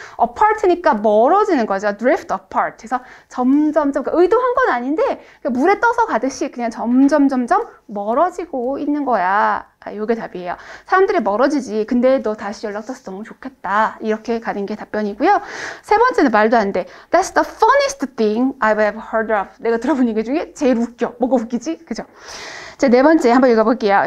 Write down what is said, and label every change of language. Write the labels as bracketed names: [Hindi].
[Korean] apart니까 멀어지는 거죠. [English] drift apart. [Korean] 그래서 점점점, 그러니까 의도한 건 아닌데 물에 떠서 가듯이 그냥 점점점점 멀어지고 있는 거야. 요게 답이에요. 사람들이 멀어지지. 근데 너 다시 연락 떠서 너무 좋겠다. 이렇게 가는 게 답변이고요. 세 번째는 말도 안 돼. [English] That's the funniest thing I've ever heard of. [Korean] 내가 들어본 얘기 중에 제일 웃겨. 뭐가 웃기지? 그죠? 자, 네 번째 한번 읽어볼게요.